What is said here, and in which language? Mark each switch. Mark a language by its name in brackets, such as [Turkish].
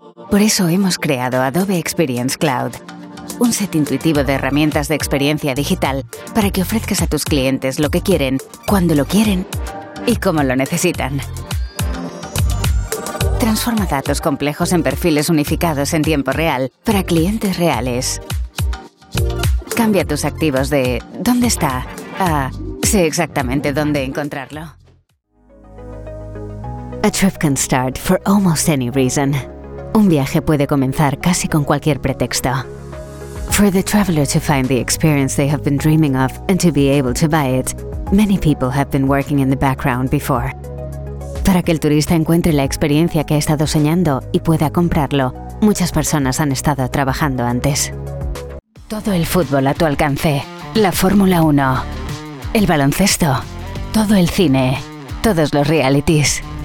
[Spanish] Por eso hemos creado Adobe Experience Cloud, un set intuitivo de herramientas de experiencia digital para que ofrezcas a tus clientes lo que quieren, cuando lo quieren y cómo lo necesitan. Transforma datos complejos en perfiles unificados en tiempo real para clientes reales. Cambia tus activos de ¿dónde está? A sé exactamente dónde encontrarlo. [English] A trip can start for almost any reason. [Spanish] Un viaje puede comenzar casi con cualquier pretexto. [English] For the traveler to find the experience they have been dreaming of and to be able to buy it, many people have been working in the background before. [Spanish] Para que el turista encuentre la experiencia que ha estado soñando y pueda comprarlo, muchas personas han estado trabajando antes. Todo el fútbol a tu alcance. La Fórmula 1. El baloncesto. Todo el cine. Todos los realities.